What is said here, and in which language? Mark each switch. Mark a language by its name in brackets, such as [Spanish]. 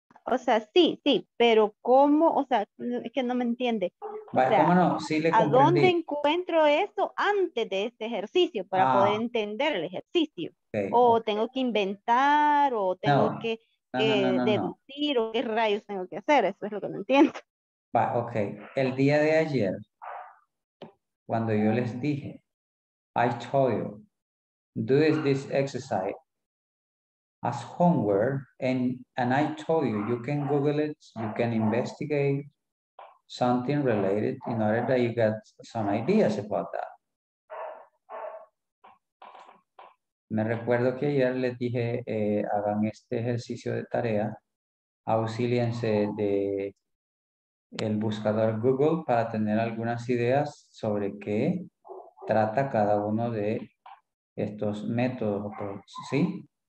[Spanish] O sea, sí, pero ¿cómo? O sea, es que no me entiende. Vale, o sea, ¿cómo no? Sí le comprendí. ¿A dónde encuentro eso antes de este ejercicio para poder entender el ejercicio? Okay. ¿Tengo que inventar o tengo deducir o qué rayos tengo que hacer? Eso es lo que no entiendo. Va, ok. El día de ayer, cuando yo les dije, [English] I told you, do this exercise as homework, and I told you, you can Google it, you can investigate something related in order that you get some ideas about that. [Spanish] Me recuerdo que ayer les dije, hagan este ejercicio de tarea, auxíliense de el buscador Google para tener algunas ideas sobre qué trata cada uno de estos métodos, ¿sí?